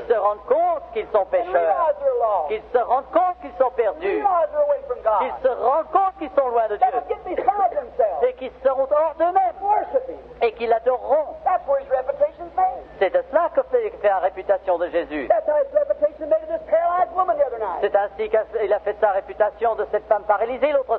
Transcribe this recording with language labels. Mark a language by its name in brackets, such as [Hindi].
[French] Qui se rendent compte qu'ils sont pécheurs. [English] And realize they're lost. [French] Qu'ils se rendent compte qu'ils sont perdus. [English] And realize they're away from God. [French] Qu'ils se rendent compte qu'ils sont loin de Dieu. [English] That'll get beside themselves. [French] Et qu'ils seront hors d'eux-mêmes. [English] Worshiping. [French] Et qu'ils l'adoreront. [English] That's where his reputation is made. [French] C'est de cela que fait la réputation de Jésus. [English] That's how his reputation made of this paralyzed woman the other night. [French] C'est ainsi qu'il a fait sa réputation de cette femme paralysée l'autre